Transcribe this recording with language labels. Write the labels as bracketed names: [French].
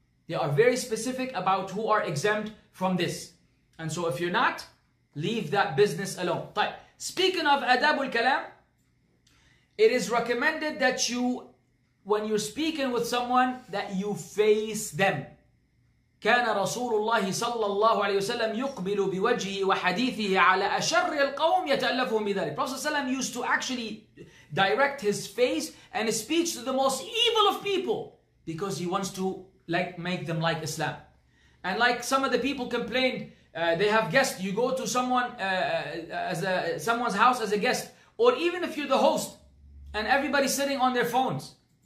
[English] They are very specific about who are exempt from this. And so if you're not, leave that business alone. [Arabic] طيب. [English] Speaking of Adabul Kalam, it is recommended that you, when you're speaking with someone, that you face them. [Arabic] كان رسول الله صلى الله عليه وسلم يقبل بوجهه وحديثه على أشر القوم يتألفهم بذلك. [English] Prophet ﷺ used to actually direct his face and his speech to the most evil of people because he wants to like make them like Islam. And like some of the people complained, they have guests. You go to someone someone's house as a guest, or even if you're the host, and everybody's sitting on their phones.